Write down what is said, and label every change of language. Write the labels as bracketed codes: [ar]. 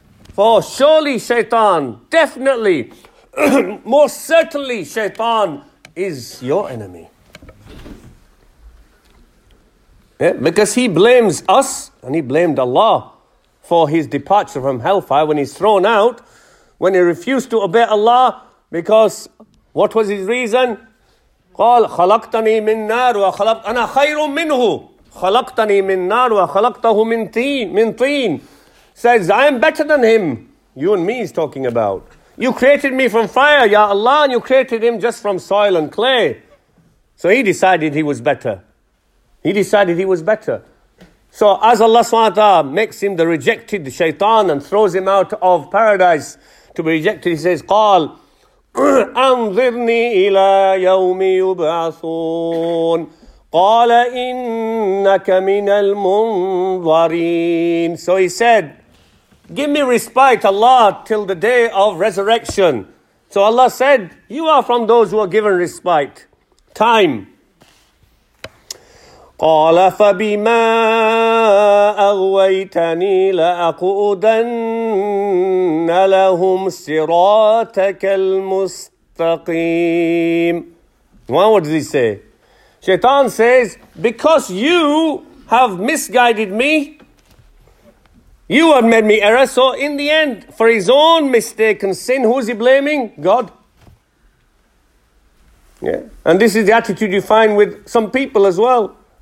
[en] For surely shaytan, definitely, most certainly shaytan is your enemy. Yeah, because he blames us, and he blamed Allah for his departure from hellfire when he's thrown out, when he refused to obey Allah, because what was his reason? [ar] قال خلقتني من نار وخلقت أنا خير منه خلقتني من نار وخلقته من طين من طين. [en] Says I am better than him. You and me is talking about. You created me from fire, Ya Allah, and you created him just from soil and clay. So he decided he was better. He decided he was better. So as Allah subhanahu wa ta'ala makes him the rejected shaitan and throws him out of paradise to be rejected, he says [ar] قال أنظرني إلى يوم يبعثون قال إنك من المنظرين. [en] So he said, give me respite, Allah, till the day of resurrection. So Allah said, you are from those who are given respite. Time. [ar] قال فبما أغويتني لأقعدن لهم صراطك المستقيم. [en] What does he say? Shaitan says, because you have misguided me, you have made me error. So in the end, for his own mistake and sin, who is he blaming? God. Yeah. And this is the attitude you find with some people as well.